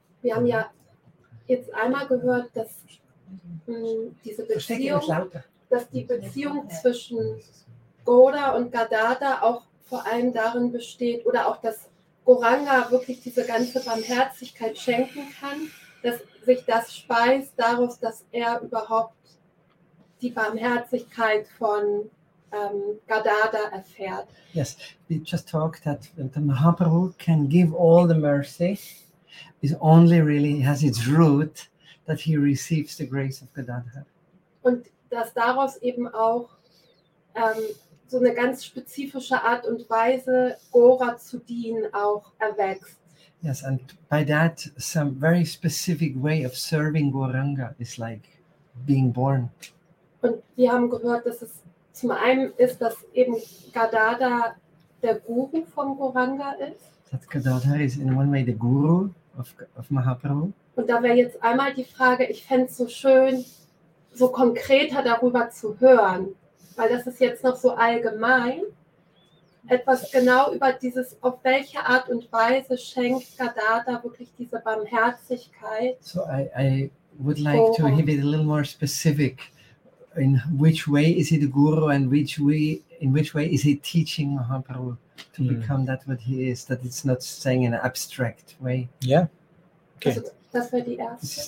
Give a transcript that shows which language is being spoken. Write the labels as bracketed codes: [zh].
[de] Wir haben ja jetzt einmal gehört, dass diese Beziehung, dass die Beziehung zwischen Gauda und Gadada auch vor allem darin besteht, oder auch, dass Gauranga wirklich diese ganze Barmherzigkeit schenken kann, dass sich das speist daraus, dass er überhaupt die Barmherzigkeit von Gadadhar erfährt. [en] Yes, we just talked that the Mahaprabhu can give all the mercy, is only really has its root that he receives the grace of Gadadhar. [de] Und dass daraus eben auch so eine ganz spezifische Art und Weise, Gora zu dienen, auch erwächst. [en] Yes, and by that, some very specific way of serving Gauranga is like being born. [de] Und wir haben gehört, dass es zum einen ist, dass eben Gadada der Guru von Gauranga ist. [en] That Gadadhara is in one way the guru of Mahaprabhu. [de] Und da wäre jetzt einmal die Frage, ich fände es so schön, so konkreter darüber zu hören, weil das ist jetzt noch so allgemein, etwas genau über dieses, auf welche Art und Weise schenkt Gadada wirklich diese Barmherzigkeit. [en] So I would like to be a little more specific. In which way is he the guru and in which way is he teaching Mahaprabhu to become that what he is, that it's not saying in an abstract way? Yeah. Okay. This is